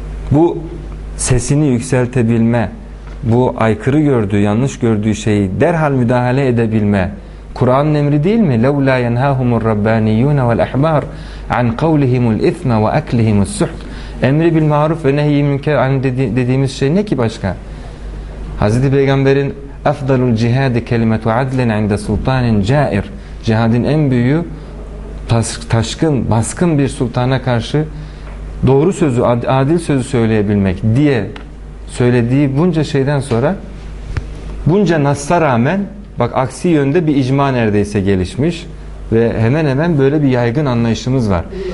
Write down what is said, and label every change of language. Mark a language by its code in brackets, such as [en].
[tr] Bu sesini yükseltebilme, bu aykırı gördüğü, yanlış gördüğü şeyi derhal müdahale edebilme, Kur'an'ın emri değil mi? [ar] لَوْ لَا يَنْهَاهُمُ الرَّبَّانِيُّونَ وَالْاَحْبَارِ عَنْ قَوْلِهِمُ الْاِثْمَ وَاَكْلِهِمُ السُّحْتِ. [tr] Emri bil maruf ve nehyi münker dediğimiz şey ne ki başka? [ar] Hazreti Peygamber'in اَفْضَلُ الْجِهَادِ كَلِمَةُ عَدْلٍ عِنْدَ سُلْطَانٍ جَائِرٍ. [tr] Cihadin en büyüğü taşkın, baskın bir sultana karşı doğru sözü, adil sözü söyleyebilmek diye söylediği bunca şeyden sonra, bunca nasla rağmen, bak aksi yönde bir icma neredeyse gelişmiş ve hemen hemen böyle bir yaygın anlayışımız var.